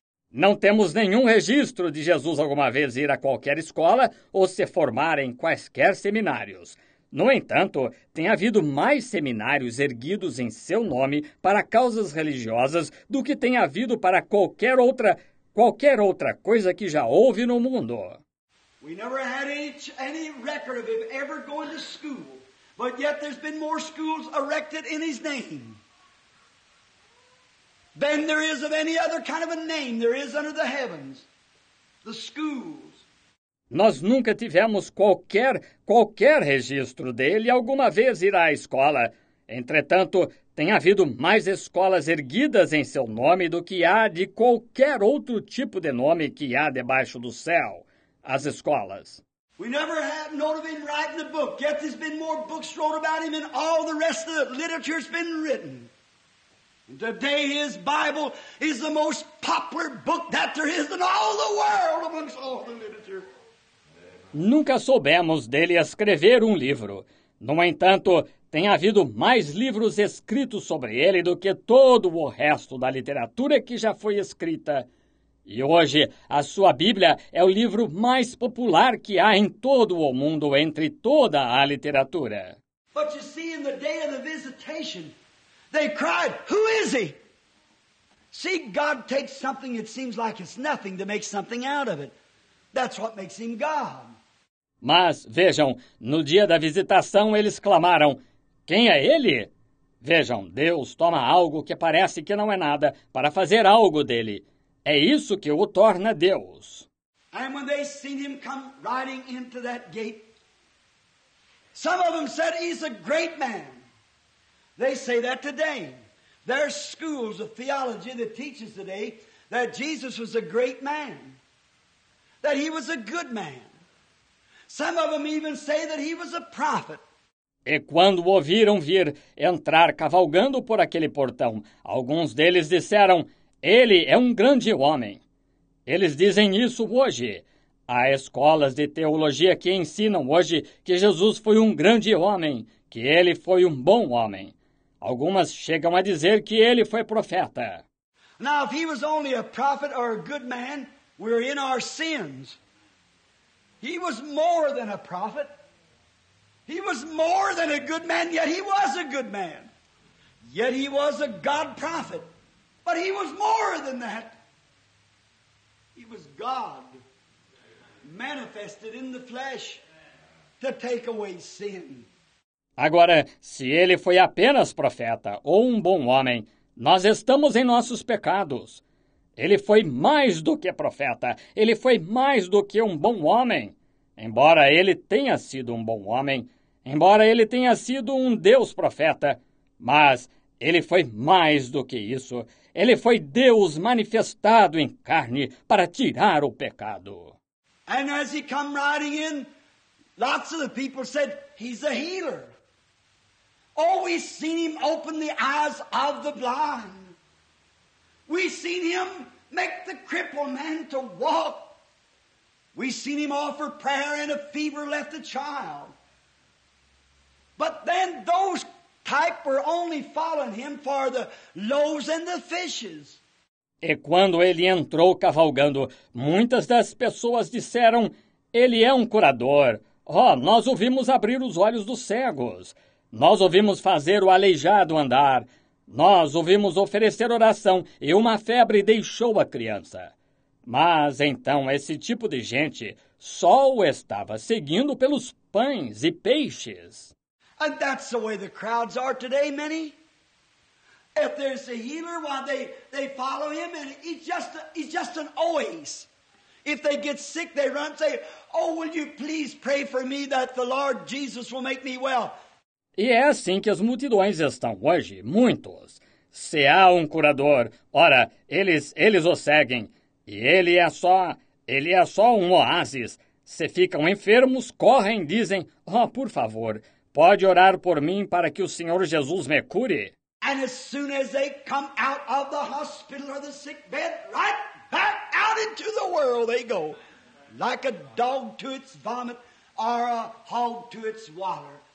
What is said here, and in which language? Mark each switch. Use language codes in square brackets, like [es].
[pt] Não temos nenhum registro de Jesus alguma vez ir a qualquer escola ou se formar em quaisquer seminários. No entanto, tem havido mais seminários erguidos em seu nome para causas religiosas do que tem havido para qualquer outra coisa que já houve no mundo. [en] We never had any record of him ever going to school, but yet there's been more schools erected in his name than there is of any other kind of a name there is under the heavens, the schools. [pt] Nós nunca tivemos qualquer registro dele alguma vez ir à escola. Entretanto, tem havido mais escolas erguidas em seu nome do que há de qualquer outro tipo de nome que há debaixo do céu, as escolas. [en] We never had note of him writing a book, yet there's been more books wrote about him than all the rest of the literature's been written. Today his Bible is the most popular book that there is in all the world amongst all the literature. [pt] Nunca soubemos dele escrever um livro. No entanto, tem havido mais livros escritos sobre ele do que todo o resto da literatura que já foi escrita. E hoje, a sua Bíblia é o livro mais popular que há em todo o mundo, entre toda a literatura. [en] But you see, in the day of the visitation, they cried, "Who is he?" See, God takes something that seems like it's nothing to make something out of it. That's what makes him God. [pt] Mas, vejam, no dia da visitação eles clamaram, "Quem é ele?" Vejam, Deus toma algo que parece que não é nada para fazer algo dele. É isso que o torna Deus. [en] And when they seen him come riding into that gate, some of them said, "He's a great man." They say that today. There's schools of theology that teaches today that Jesus was a great man, that he was a good man. Some of them even say that he was a prophet. [pt] E quando o ouviram vir entrar cavalgando por aquele portão, alguns deles disseram, "Ele é um grande homem." Eles dizem isso hoje. Há escolas de teologia que ensinam hoje que Jesus foi um grande homem, que ele foi um bom homem. Algumas chegam a dizer que ele foi profeta. [en] Now, if he was only a prophet or a good man, we're in our sins. He was more than a prophet. He was more than a good man, yet he was a good man. Yet he was a God prophet. But he was more than that. He was God manifested in the flesh to take away sin. [pt] Agora, se ele foi apenas profeta ou um bom homem, nós estamos em nossos pecados. Ele foi mais do que profeta. Ele foi mais do que um bom homem. Embora ele tenha sido um bom homem, embora ele tenha sido um Deus profeta, mas ele foi mais do que isso. Ele foi Deus manifestado em carne para tirar o pecado. [en] And as he come riding in, lots of the people said, "He's a healer. Oh, we seen him open the eyes of the blind. We seen him make the crippled man to walk. We seen him offer prayer and a fever left the child." But then those type were only following him for the loaves and the fishes. [pt] E quando ele entrou cavalgando, muitas das pessoas disseram, "Ele é um curador. Oh, nós ouvimos abrir os olhos dos cegos. Nós ouvimos fazer o aleijado andar. Nós ouvimos oferecer oração e uma febre deixou a criança." Mas então esse tipo de gente só o estava seguindo pelos pães e peixes. [en] And that's the way the crowds are today, many. If there's a healer, why they follow him, and he's just an oasis. If they get sick, they run and say, "Oh, will you please pray for me that the Lord Jesus will make me well." [pt] E é assim que as multidões estão hoje, muitos. Se há um curador, ora, eles o seguem. E ele é só um oásis. Se ficam enfermos, correm, dizem, "Oh, por favor, pode orar por mim para que o Senhor Jesus me cure." [en] And as soon as they come out of the hospital or the sick bed, right back out into the world they go. Like a dog to its vomit or a hog to its water.